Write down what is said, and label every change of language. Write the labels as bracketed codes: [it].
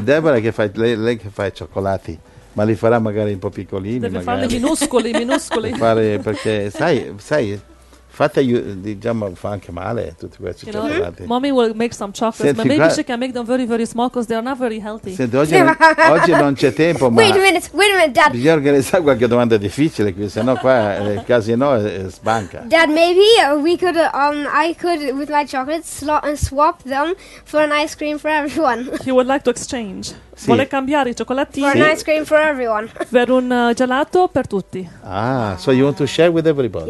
[it] Deborah che fa, lei che fa i cioccolati, ma li farà magari un po' piccolini. Deve magari farli minuscoli. Fare, perché sai fate, diciamo, fa anche male tutti questi cioccolati. [en] Know, mommy will make some chocolates. Senti, but maybe she can make them very very small because they are not very healthy. [it] Senti, oggi non c'è tempo. Ma [en] wait a minute, Dad. [it] Bisogna organizzare qualche domanda difficile qui, sennò qua il casino sbanca. [en] Dad, maybe we could I could with my chocolates slot and swap them for an ice cream for everyone. He would like to exchange. [it] Sì. Vuole cambiare i cioccolatini [en] for an ice cream for everyone. [it] Per un gelato per tutti. [en] Ah, so you want to share with everybody?